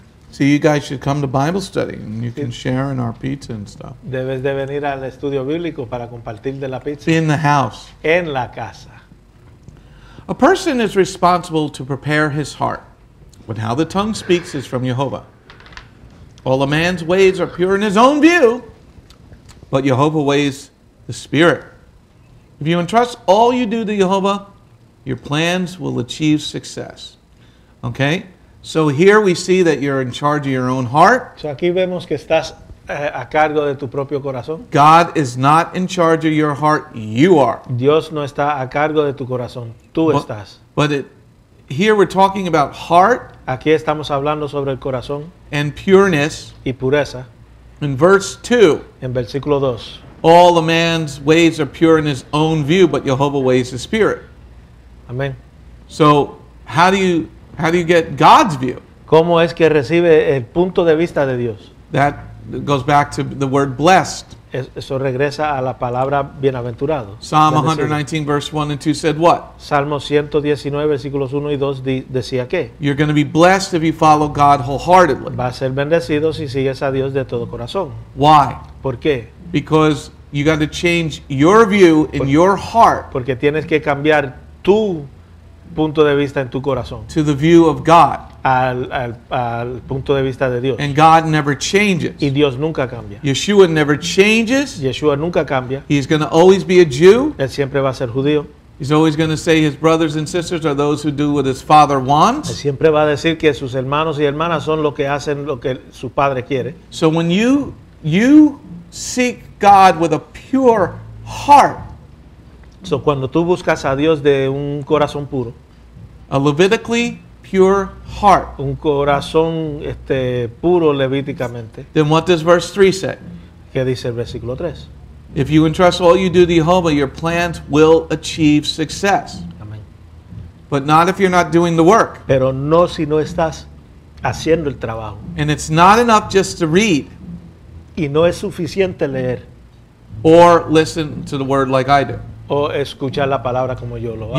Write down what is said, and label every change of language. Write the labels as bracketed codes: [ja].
[en] See, you guys should come to Bible study, and you can share in our pizza and stuff. [es] Debes de venir al estudio bíblico para compartir de la pizza. [en] In the house. [es] En la casa. [en] A person is responsible to prepare his heart, but how the tongue speaks is from Jehovah. All a man's ways are pure in his own view, but Jehovah weighs the spirit. If you entrust all you do to Jehovah, your plans will achieve success. Okay? So here we see that you're in charge of your own heart. [es] So aquí vemos que estás a cargo de tu propio corazón. [en] God is not in charge of your heart, you are. [es] Dios no está a cargo de tu corazón, tú estás. [en] But it, here we're talking about heart. [es] Aquí estamos hablando sobre el corazón. [en] And pureness. [es] Y pureza. [en] In verse 2. [es] En versículo 2. [en] All a man's ways are pure in his own view, but Jehovah weighs the spirit. Amen. So how do you get God's view? [es] ¿Cómo es que recibe el punto de vista de Dios? [en] That goes back to the word blessed. [es] Eso regresa a la palabra bienaventurado. [en] Psalm 119, verse 1 and 2 said what? [es] Salmo 119, versículos 1 y 2 decía qué? [en] You're going to be blessed if you follow God wholeheartedly. [es] Va a ser bendecido si sigues a Dios de todo corazón. [en] Why? [es] ¿Por qué? [en] Because you got to change your view in your heart. [es] Porque tienes que cambiar tu punto de vista en tu corazón. [en] To the view of God. [es] Al punto de vista de Dios. [en] And God never changes. [es] Y Dios nunca cambia. [en] Yeshua never changes. [es] Yeshua nunca cambia. [en] He's going to always be a Jew. [es] Él siempre va a ser judío. [en] He's always going to say his brothers and sisters are those who do what his father wants. [es] Él siempre va a decir que sus hermanos y hermanas son lo que hacen lo que su padre quiere. [en] So when you seek God with a pure heart. [es] So cuando tú buscas a Dios de un corazón puro. [en] A Levitically pure heart. [es] Un corazón puro levíticamente. [en] Then what does verse 3 say? [es] ¿Qué dice el versículo 3? [en] If you entrust all you do to Jehovah, your plans will achieve success. Amen. But not if you're not doing the work. [es] Pero no si no estás haciendo el trabajo. [en] And it's not enough just to read. [es] Y no es suficiente leer. [en] Or listen to the word like I do. [es] O escuchar la palabra como yo lo hago.